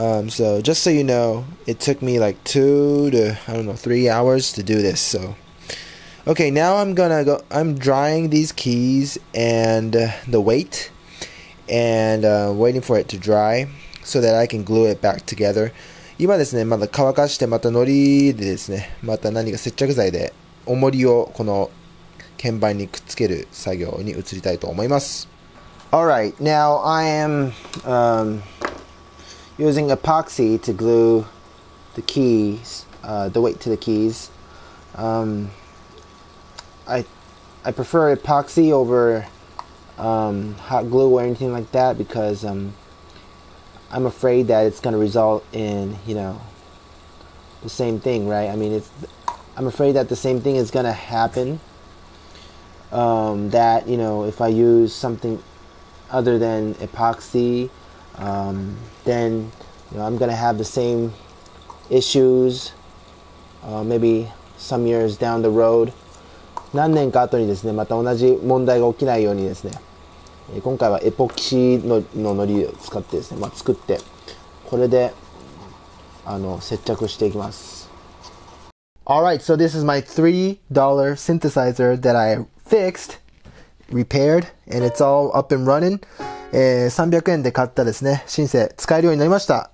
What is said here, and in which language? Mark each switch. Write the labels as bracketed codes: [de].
[en] So just so you know, it took me like 2 to 3 hours to do this. So, okay, now I'm drying these keys and the weight and waiting for it to dry so that I can glue it back together. [ja] 今ですね、まだ乾かしてまたのりでですね、また何か接着剤で重りをこの鍵盤にくっつける作業に移りたいと思います。 [en] All right, now I am, using epoxy to glue the keys, the weight to the keys. I prefer epoxy over hot glue or anything like that because I'm afraid that it's going to result in, you know, the same thing, right? I mean, I'm afraid that the same thing is going to happen. That, you know, if I use something other than epoxy, then... You know, I'm going to have the same issues, maybe some years down the road. [ja] 何年か後にですね、また同じ問題が起きないようにですね、今回はエポキシの糊を使ってですね、まあ、作って、これで接着していきます。 [en] Alright, so this is my $3 synthesizer that I fixed, repaired, and it's all up and running. [ja] 300円で買ったですね、シンセ使えるようになりました。